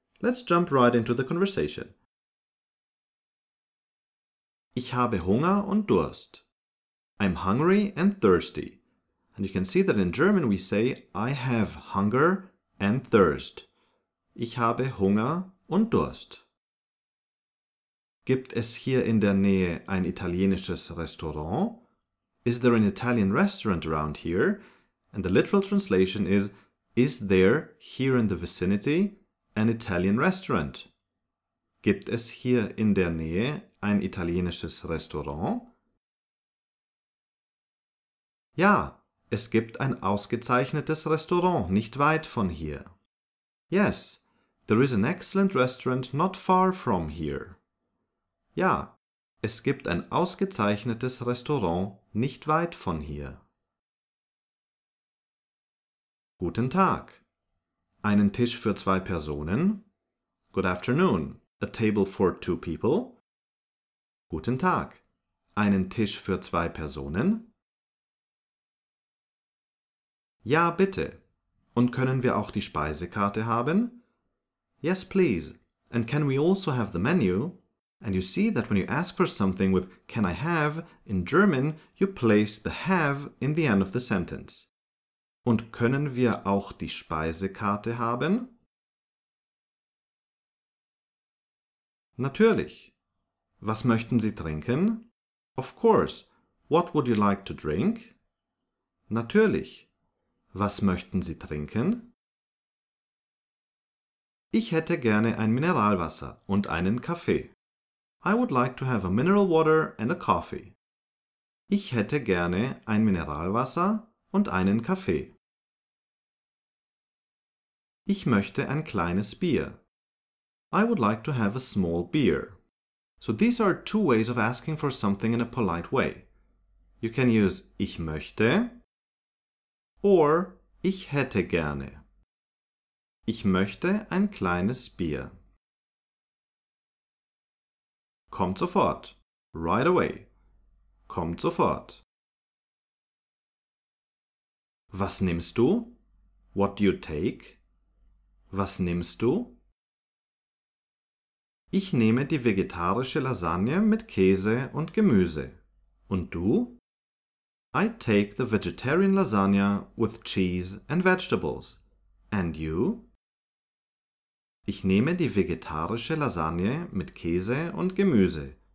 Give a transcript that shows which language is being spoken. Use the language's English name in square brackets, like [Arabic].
[English] Let's jump right into the conversation. [German] Ich habe Hunger und Durst. [English] I'm hungry and thirsty. And you can see that in German we say I have hunger and thirst. [German] Ich habe Hunger und Durst. Gibt es hier in der Nähe ein italienisches Restaurant? [English] Is there an Italian restaurant around here? And the literal translation is there here in the vicinity an Italian restaurant? [German] Gibt es hier in der Nähe ein italienisches Restaurant? Ja, es gibt ein ausgezeichnetes Restaurant nicht weit von hier. [English] Yes, there is an excellent restaurant not far from here. [German] Ja, es gibt ein ausgezeichnetes Restaurant nicht weit von hier. Guten Tag. Einen Tisch für zwei Personen. [English] Good afternoon. A table for two people. [German] Guten Tag. Einen Tisch für zwei Personen. Ja, bitte. Und können wir auch die Speisekarte haben? [English] Yes, please. And can we also have the menu? And you see that when you ask for something with can I have, in German, you place the have in the end of the sentence. [German] Und können wir auch die Speisekarte haben? Natürlich. Was möchten Sie trinken? [English] Of course. What would you like to drink? [German] Natürlich. Was möchten Sie trinken? Ich hätte gerne ein Mineralwasser und einen Kaffee. [English] I would like to have a mineral water and a coffee. [German] Ich hätte gerne ein Mineralwasser und einen Kaffee. Ich möchte ein kleines Bier. [English] I would like to have a small beer. So these are two ways of asking for something in a polite way. You can use [German] ich möchte [English] or [German] ich hätte gerne. Ich möchte ein kleines Bier. Kommt sofort. [English] Right away. [German] Kommt sofort. Was nimmst du? [English] What do you take? [German] Was nimmst du? Ich nehme die vegetarische Lasagne mit Käse und Gemüse. Und du? [English] I take the vegetarian lasagna with cheese and vegetables. And you? [German] Ich nehme die vegetarische Lasagne mit Käse und Gemüse.